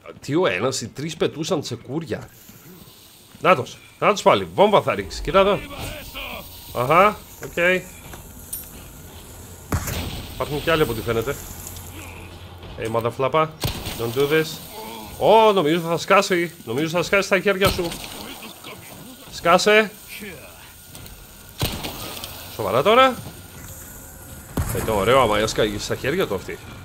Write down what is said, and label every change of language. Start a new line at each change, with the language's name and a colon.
Greek: Τι ο ένας, οι τρεις πετούσαν τσεκούρια. Νάτος, νάτος πάλι, βόμβα θα ρίξει, κοίτα εδώ. Αχα, οκ. Υπάρχουν κι άλλοι από ό,τι φαίνεται.
English: Hey, mother flappa, don't do this.
Greek: Ω, oh, νομίζω θα σκάσει, νομίζω θα σκάσει στα χέρια σου. Σκάσε. Σοβαρά τώρα. Ήταν ωραίο άμα έσκαγε στα χέρια του αυτή.